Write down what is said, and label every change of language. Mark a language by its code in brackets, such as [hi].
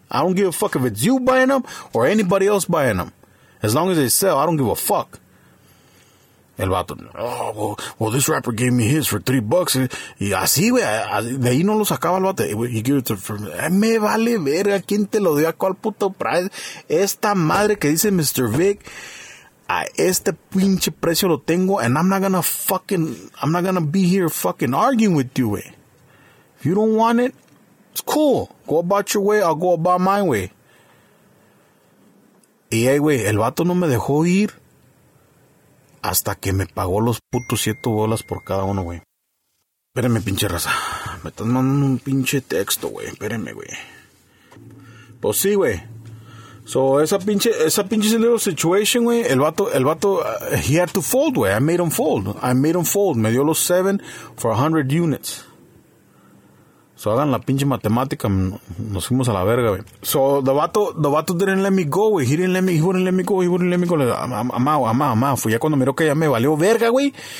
[en] I don't give a fuck if it's you buying them or anybody else buying them. As long as they sell, I don't give a fuck. El vato, oh, well, this rapper gave me his for $3. [es] Y así, güey, de ahí no lo sacaba el vato. You give it to for me. Me vale verga, ¿quién te lo dio a cuál puto price? Esta madre que dice Mr. Vic, a este pinche precio lo tengo, and I'm not gonna be here fucking arguing with you, güey. [en] If you don't want it, it's cool. Go about your way, I'll go about my way. [es] Y ahí, güey, el vato no me dejó ir. Hasta que me pagó los putos 7 bolas por cada uno, güey. Espérenme, pinche raza. Me están mandando un pinche texto, güey. Espérenme, güey. Pues sí, güey. [en] So, esa pinche little situation, güey. El vato, he had to fold, güey. I made him fold. Me dio los 7 for 100 units. [es] So, hagan la pinche matemática. Nos fuimos a la verga, güey. [en] So, the vato didn't let me go, güey. He wouldn't let me go. I'm out. [es] Fui ya cuando miró que ya me valió verga, güey.